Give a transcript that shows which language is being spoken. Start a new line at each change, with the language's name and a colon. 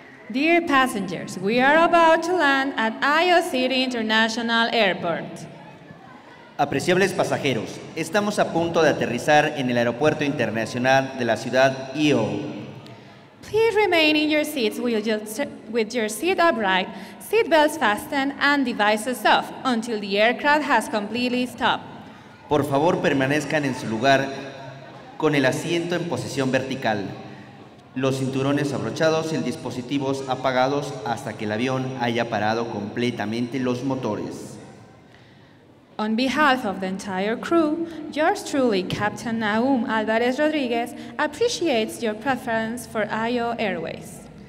English: Dear passengers, we are about to land at Iyo City International Airport.
Spanish: Apreciables pasajeros, estamos a punto de aterrizar en el aeropuerto internacional de la ciudad Iyo.
English: Please remain in your seats with your seat upright, seat belts fastened, and devices off until the aircraft has completely stopped.
Spanish: Por favor, permanezcan en su lugar con el asiento en posición vertical, los cinturones abrochados y el dispositivo apagados hasta que el avión haya parado completamente los motores.
English: On behalf of the entire crew, yours truly, Captain Naum Álvarez Rodríguez, appreciates your preference for Iyo Airways.